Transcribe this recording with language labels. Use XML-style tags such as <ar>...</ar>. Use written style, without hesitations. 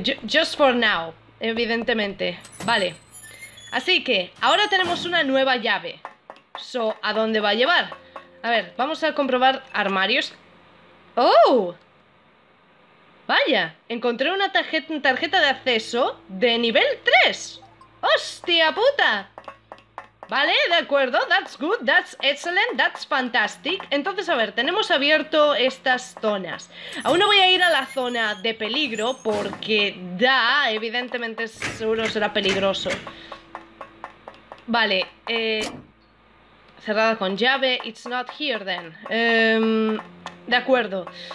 <en>Just for now,</en> <es>evidentemente. Vale. Así que, ahora tenemos una nueva llave. So, ¿a dónde va a llevar? A ver, vamos a comprobar armarios. ¡Oh! Vaya, encontré una tarjeta de acceso de nivel 3. ¡Hostia puta! Vale, de acuerdo,</es> <en>that's good, that's excellent, that's fantastic.</en> <es>Entonces, a ver, tenemos abierto estas zonas. Aún no voy a ir a la zona de peligro porque da, evidentemente seguro será peligroso. Vale, cerrada con llave,</es> <en>it's not here then.</en> <es>De acuerdo.</es>